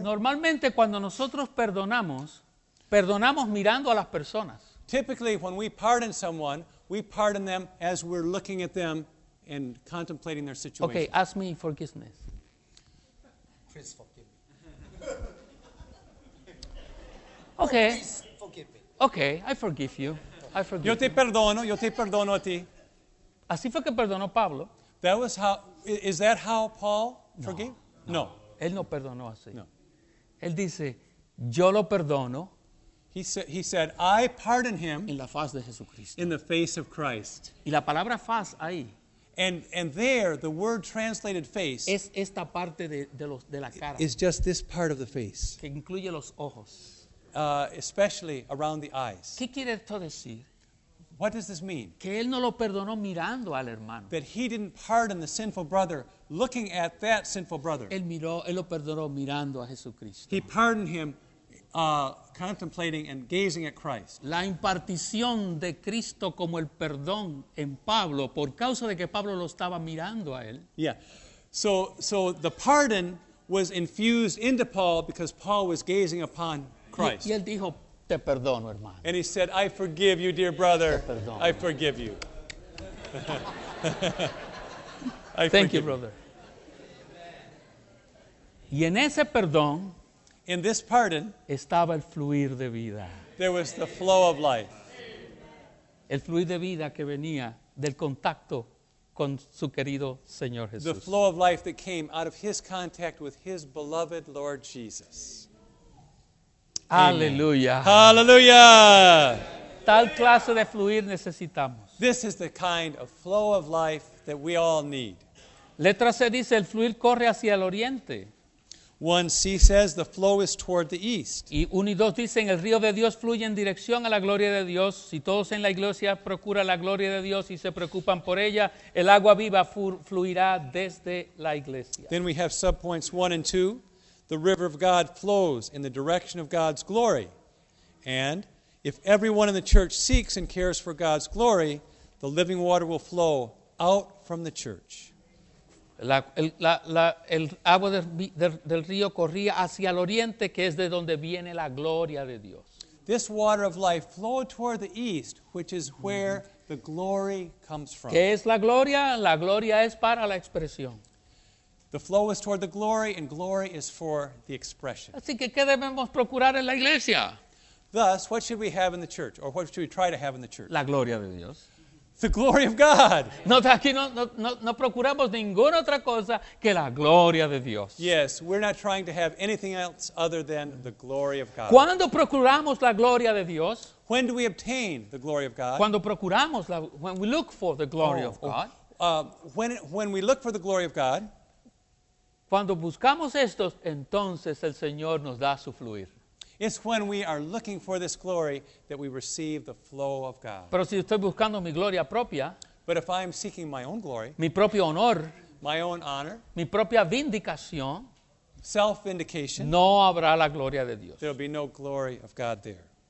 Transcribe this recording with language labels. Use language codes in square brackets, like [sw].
[es] Normalmente cuando nosotros perdonamos, perdonamos mirando a las personas. [en] Typically when we pardon someone, we pardon them as we're looking at them and contemplating their situation. Okay, ask me forgiveness. Chris, forgive me. Okay. Please forgive me. Okay, I forgive you. I forgive you. [es] Yo te perdono a ti. Así fue que perdonó Pablo. [en] That was how, is that how Paul forgave? [es] No. Él no perdonó así. No. Él dice, yo lo perdono. [en] He said, I pardon him. [es] En la faz de Jesucristo. [en] In the face of Christ. [es] Y la palabra faz ahí. [en] And there, the word translated face. [es] Es esta parte de la cara. [en] Is just this part of the face. [es] Que incluye los ojos. [en] Especially around the eyes. [es] ¿Qué quiere esto decir? [en] What does this mean? [es] Que él no lo perdonó mirando al hermano. [en] That he didn't pardon the sinful brother looking at that sinful brother. [es] Él miró, él lo perdonó mirando a Jesucristo. [en] He pardoned him contemplating and gazing at Christ. [es] La impartición de Cristo como el perdón en Pablo por causa de que Pablo lo estaba mirando a él. [en] Yeah. So the pardon was infused into Paul because Paul was gazing upon Christ. [es] Y él dijo, te perdono, hermano. [en] And he said, I forgive you, dear brother. [es] Te perdono, [en] I forgive you. Thank you, brother. [es] Y en ese perdón, [en] in this pardon, [es] estaba el fluir de vida. [en] There was the flow of life. [es] El fluir de vida que venía del contacto con su querido Señor Jesús. [en] The flow of life that came out of his contact with his beloved Lord Jesus. [es] Aleluya. Aleluya. Tal clase de fluir necesitamos. [en] This is the kind of flow of life that we all need. [es] Letra C dice el fluir corre hacia el oriente. [en] 1C says the flow is toward the east. [es] Y 1 y 2 dicen el río de Dios fluye en dirección a la gloria de Dios. Si todos en la iglesia procuran la gloria de Dios y se preocupan por ella, el agua viva fluirá desde la iglesia. [en] Then we have subpoints 1 and 2. The river of God flows in the direction of God's glory. And if everyone in the church seeks and cares for God's glory, the living water will flow out from the church. [es] El agua del río corría hacia el oriente, que es de donde viene la gloria de Dios. [en] This water of life flowed toward the east, which is where the glory comes from. [es] ¿Qué es la gloria? La gloria es para la expresión. [en] The flow is toward the glory, and glory is for the expression. [es] Así que, ¿qué debemos procurar en la iglesia? [en] Thus, what should we have in the church, or what should we try to have in the church? [es] La gloria de Dios. [en] The glory of God. [es] No, aquí no procuramos ninguna otra cosa que la gloria de Dios. [en] Yes, we're not trying to have anything else other than the glory of God. [es] ¿Cuándo procuramos la gloria de Dios? [en] When do we obtain the glory of God? [es] Cuando procuramos la, [en] when we look for the glory of God. When we look for the glory of God. [es] Cuando buscamos esto, entonces el Señor nos da su fluir. [en] It's when we are looking for this glory that we receive the flow of God. [es] Pero si estoy buscando mi gloria propia, [en] but if I am seeking my own glory, [es] mi propio honor, [en] my own honor, [es] mi propia vindicación, [en] self-vindication, [es] no habrá la gloria de Dios. [en] There will be no glory of God there.